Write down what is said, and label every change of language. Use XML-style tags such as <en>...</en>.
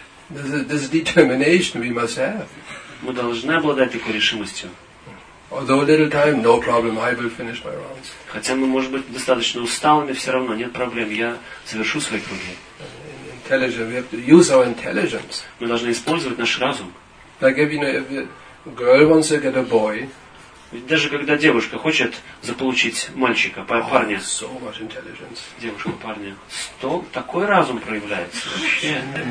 <en>This determination we must have.</en> <ru>Мы должны обладать такой решимостью.</ru> <en>Although a little time, no problem. I will finish my rounds.</en> <ru>Хотя мы, может быть, достаточно усталыми, все равно нет проблем. Я завершу свои круги.</ru> <en>Intelligence. We have to use our intelligence.</en> <ru>Мы должны использовать наш разум.</ru> <en>Like if, you know, if a girl wants to get a boy.</en> <ru>Даже когда девушка хочет заполучить мальчика, парня, девушка, парня, то такой разум проявляется вообще.</ru>